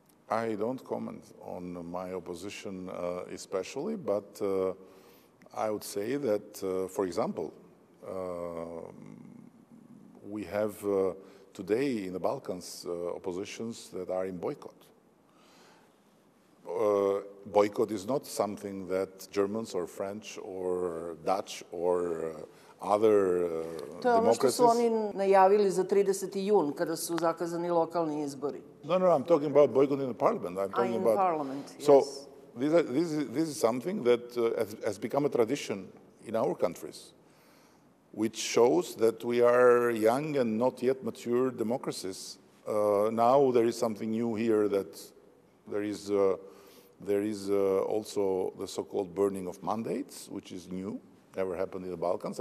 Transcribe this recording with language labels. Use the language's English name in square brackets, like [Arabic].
[English] I don't comment on my opposition especially, but I would say that, for example, we have today in the Balkans oppositions that are in boycott. Boycott is not something that Germans or French or Dutch or other democracies... [Serbian] To je ono što su oni najavili za 30. jun, kada su zakazani lokalni izbori. [English] No, I'm talking about boycott in the parliament. I'm talking about parliament, yes. So, this is something that has become a tradition in our countries, which shows that we are young and not yet mature democracies. Now there is something new here, that there is also the so-called burning of mandates, which is new, never happened in the Balkans.